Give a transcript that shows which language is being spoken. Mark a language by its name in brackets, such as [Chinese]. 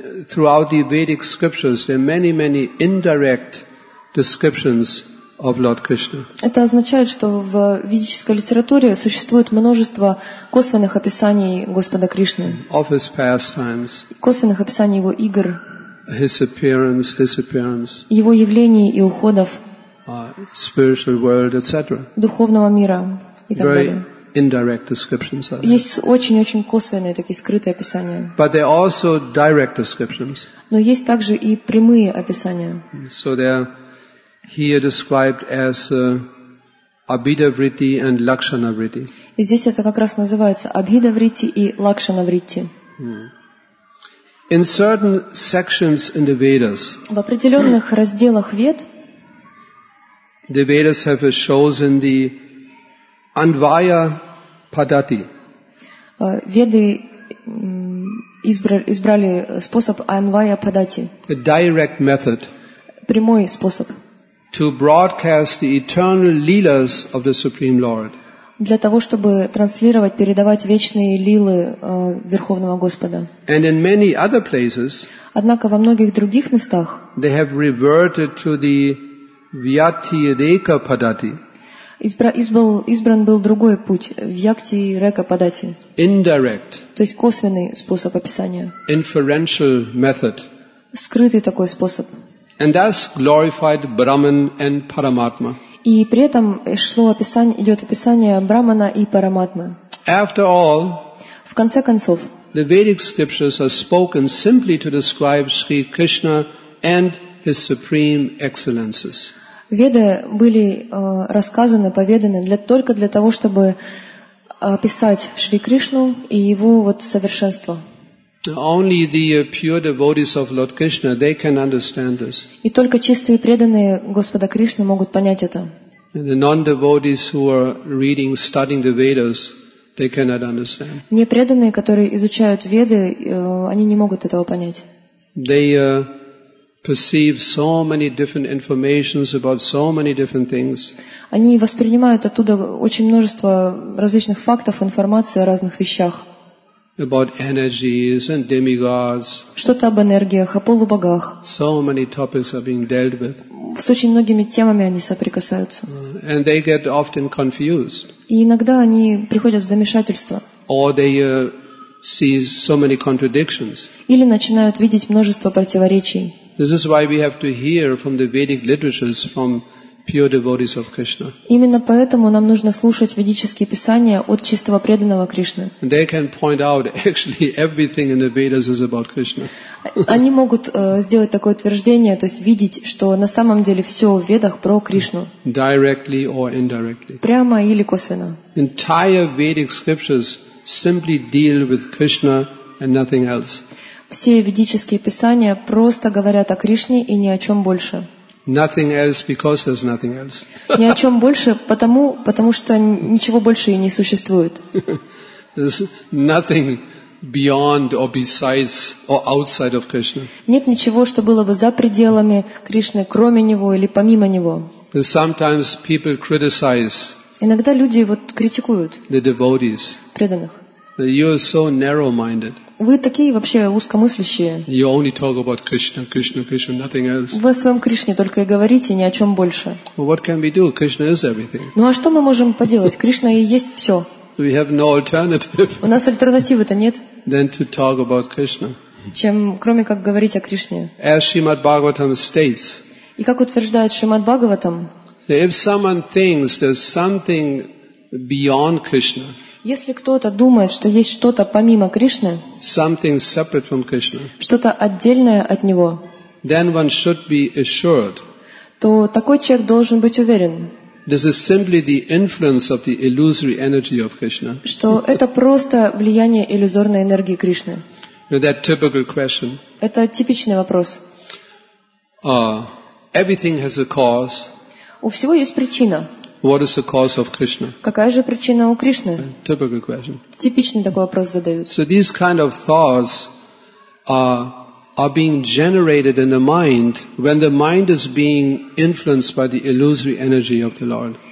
[English] throughout the Vedic scriptures there are many, many indirect descriptions of Lord Krishna. [Russian] Это означает, что в ведической литературе существует множество косвенных описаний Господа Кришны. [English] Of his pastimes. [Russian] Косвенных описаний его игр. [English] His appearance, disappearance. [Russian] Его явлений и уходов. [English] Spiritual world, etc. [Russian] Духовного мира и так далее. [English] Very indirect descriptions. [Russian] Есть очень-очень косвенные такие скрытые описания. [English] But there are also direct descriptions. [Russian] Но есть также и прямые описания. [English] So there are here described as Abhida Vritti and Lakshana Vritti. [Russian] И здесь это как раз называется Abhida Vritti и Lakshana Vritti. [English] In certain sections in the Vedas, [Russian] в определенных разделах Вед, [English] the Vedas have chosen the Anvaya Padati. [Russian] Веды избрали способ Anvaya Padati. [English] A direct method. [Russian] Прямой способ. [English] To broadcast the eternal leelas of the Supreme Lord. [Russian] Для того, чтобы транслировать, передавать вечные лилы Верховного Господа. [English] And in many other places, [Russian] однако во многих других местах, [English] they have reverted to the Vyakti Reka Padati. [Russian] Избран был другой путь, Vyakti Reka Padati. [English] Indirect. [Russian] То есть косвенный способ описания. [English] Inferential method. [Russian] Скрытый такой способ. [English] And thus glorified Brahman and Paramatma. [Russian] И при этом идет описание Брахмана и Параматмы. [English] After all, [Russian] в конце концов, [English] the Vedic scriptures are spoken simply to describe Sri Krishna and his supreme excellences. [Russian] Веды были рассказаны, поведаны только для того, чтобы описать Шри Кришну и его вот совершенство. [English] Only the pure devotees of Lord Krishna they can understand this. [Russian] И только чистые преданные Господа Кришны могут понять это. [English] The non-devotees who are reading, studying the Vedas, they cannot understand. [Russian] Непреданные, которые изучают Веды, они не могут этого понять. [English] They perceive so many different informations about so many different things. [Russian] Они воспринимают оттуда очень множество различных фактов, информации о разных вещах. [English] About energies and demigods. [Russian] Что-то об энергиях, о полубогах. [English] So many topics are being dealt with. [Russian] С очень многими темами они соприкасаются. [English] And they get often confused. [Russian] И иногда они приходят в замешательство. [English] Or they see so many contradictions. [Russian] Или начинают видеть множество противоречий. [English] This is why we have to hear from the Vedic literatures, from pure devotees of Krishna. [Russian] Именно поэтому нам нужно слушать ведические писания от чистого преданного Кришны. [English] They can point out actually everything in the Vedas is about Krishna. [Russian] Они могут сделать такое утверждение, то есть видеть, что на самом деле все в Ведах про Кришну. [English] Directly or indirectly. [Russian] Прямо или косвенно. [English] Entire Vedic scriptures simply deal with Krishna and nothing else. [Russian] Все ведические писания просто говорят о Кришне и ни о чем больше. [English] Nothing else because there's nothing else. [Russian] Ни о чем больше, потому что ничего больше и не существует. [English] There's nothing beyond or besides or outside of Krishna. [Russian] Нет ничего, что было бы за пределами Кришны, кроме него или помимо него. [English] And sometimes people criticize. [Russian] Иногда люди вот критикуют. [English] The devotees. [Russian] Преданных. [English] You are so narrow-minded. [Russian] Вы такие вообще узкомыслящие. [English] You only talk about Krishna, Krishna, Krishna, nothing else. [Russian] Вы о своем Кришне только и говорите, ни о чем больше. [English] Well, what can we do? Krishna is everything. [Russian] Ну а что мы можем поделать? Кришна и есть все. [English] We have no alternative. [Russian] У нас альтернативы-то нет. [English] Than to talk about Krishna. [Russian] Чем, кроме как говорить о Кришне. [English] As Shrimad Bhagavatam states. [Russian] И как утверждает Шримад Бхагаватам. [English] If someone thinks there's something beyond Krishna. [Russian] Если кто-то думает, что есть что-то помимо Кришны, [English] something separate from Krishna, [Russian] что-то отдельное от Него, [English] then one should be assured, [Russian] то такой человек должен быть уверен, [English] this is simply the influence of the illusory energy of Krishna, [Russian] что это просто влияние иллюзорной энергии Кришны. [English] Now that typical question. [Russian] Это типичный вопрос. [English] Everything has a cause. [Russian] У всего есть причина. [English] What is the cause of Krishna? [Russian] Какая же причина у Кришны? [English] Typical question. [Russian] Типичный такой вопрос задают. [English] So these kind of thoughts are being generated in the mind when the mind is being influenced by the illusory energy of the Lord.